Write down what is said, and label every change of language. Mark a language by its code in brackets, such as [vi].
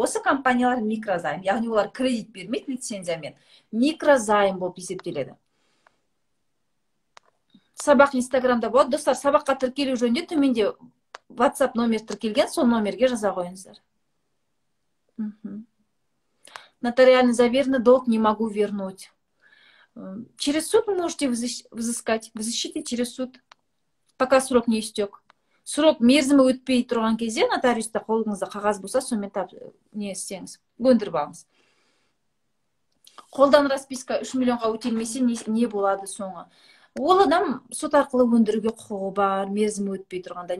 [kk] Осы компаниялар микрозайм, яғни олар кредит бермейді лицензиямен, микрозайм болып есептеледі. Сабақ инстаграмда болады. Достар, сабаққа тіркелу жөнінде төменде WhatsApp номер тіркелген, сол номерге жаза қойыңыздар. [ru] Нотариально заверено, долг не могу вернуть. Через суд вы можете взыскать. Вы защитите через суд, пока срок не истек. [kk] Срок мерзімі өтпей тұрған кезде нотариуста қолыңызда қағаз болса, сонымен не істеңіз, өндіріп алыңыз. Қолдан расписка 3 миллионға өтелмесе не болады соңы? Ол адам сот аркылы өндіруге құқығы бар, мерзімі өтпей тұрғанда.